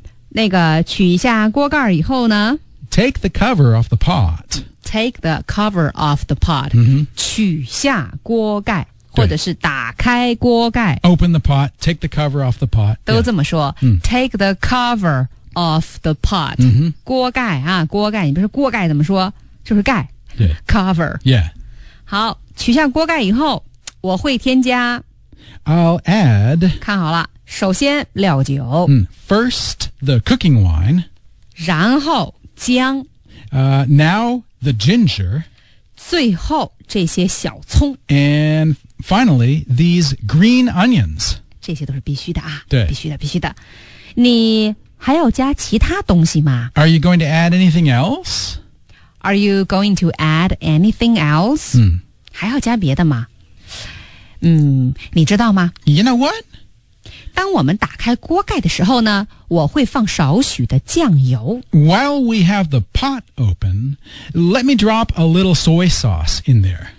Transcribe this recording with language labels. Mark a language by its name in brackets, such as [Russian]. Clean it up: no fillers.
[Chinese] 那个取下锅盖以后呢 [English] Take the cover off the pot Take the cover off the pot、 mm-hmm. [Chinese] 取下锅盖或者是打开锅盖 [English] Open the pot, take the cover off the pot [Chinese] 都这么说、 [English] yeah. Take the cover off the pot、 mm-hmm. [Chinese] 锅盖啊锅盖你不是锅盖怎么说就是盖、 [English] yeah. Cover Yeah [Chinese] 好取下锅盖以后我会添加 [English] I'll add [Chinese] 看好了首先料酒、 [English] mm. First the cooking wine [Chinese] 然后姜、 [English] Now the ginger [Chinese] 最后这些小葱 [English] AndFinally, these green onions. [Chinese] 这些都是必须的啊。对。必须的必须的。你还要加其他东西吗 [English] ?Are you going to add anything else? Are you going to add anything else? [Chinese] 嗯。还要加别的吗嗯你知道吗 [English] ?You know what? [Chinese] 当我们打开锅盖的时候呢我会放少许的酱油。 [English] While we have the pot open, let me drop a little soy sauce in there.